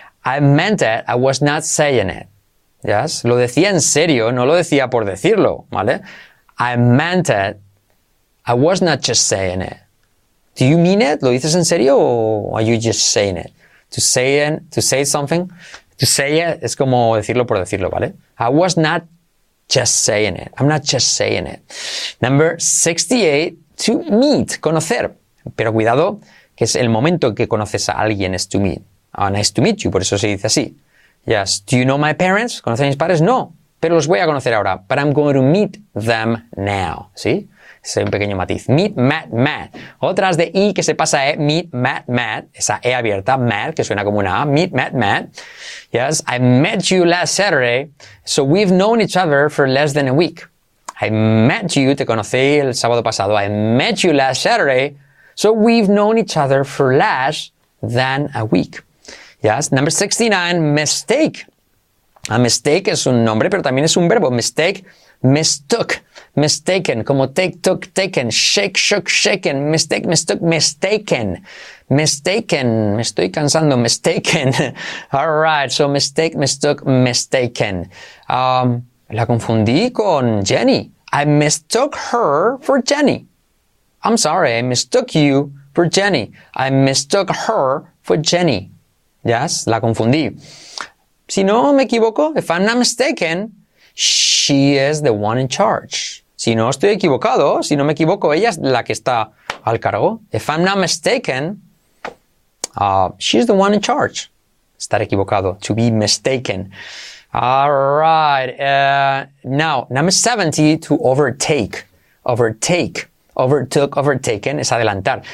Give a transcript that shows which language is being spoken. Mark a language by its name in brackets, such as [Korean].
[English] I meant it, I was not saying it. [Spanish] Yes, lo decía en serio, no lo decía por decirlo, ¿vale? [English] I meant it. I was not just saying it. Do you mean it? [Spanish] ¿Lo dices en serio o [English] are you just saying it? To say it [Spanish] es como decirlo por decirlo, ¿vale? [English] I was not just saying it. I'm not just saying it. Number 68, to meet, [Spanish] conocer. Pero cuidado, que es el momento que conoces a alguien es to meet. [English] Oh, nice to meet you, [Spanish] por eso se dice así. [English] Yes, do you know my parents? [Spanish] ¿Conoces a mis padres? No. pero los voy a conocer ahora. [English] But I'm going to meet them now. [Spanish] ¿Sí? Es un pequeño matiz. [English] Meet Matt, Matt. [Spanish] Otras de I que se pasa es [English] meet Matt, Matt. [Spanish] Esa E abierta, Matt, que suena como una A. [English] Meet Matt, Matt. Yes, I met you last Saturday, so we've known each other for less than a week. I met you, [Spanish] te conocí el sábado pasado. [English] I met you last Saturday, so we've known each other for less than a week. Yes, number 69, mistake. [Spanish] A mistake es un nombre, pero también es un verbo. [English] Mistake, mistook, mistaken, como take, took, taken, shake, shook, shaken, mistake, mistook, mistaken, mistaken, [Spanish] me estoy cansando, [English] mistaken. All right, so mistake, mistook, mistaken. [Spanish] La confundí con Jenny. [English] I mistook her for Jenny. I'm sorry, I mistook you for Jenny. I mistook her for Jenny. Yes, [Spanish] la confundí. Si no me equivoco, [English] if I'm not mistaken, she is the one in charge. [Spanish] Si no estoy equivocado, si no me equivoco, ella es la que está al cargo. [English] If I'm not mistaken, she's the one in charge. [Spanish] Estar equivocado, [English] to be mistaken. [Spanish] All right. [English] Now, number 70, to overtake. Overtake, overtook, overtaken, [Spanish] es adelantar.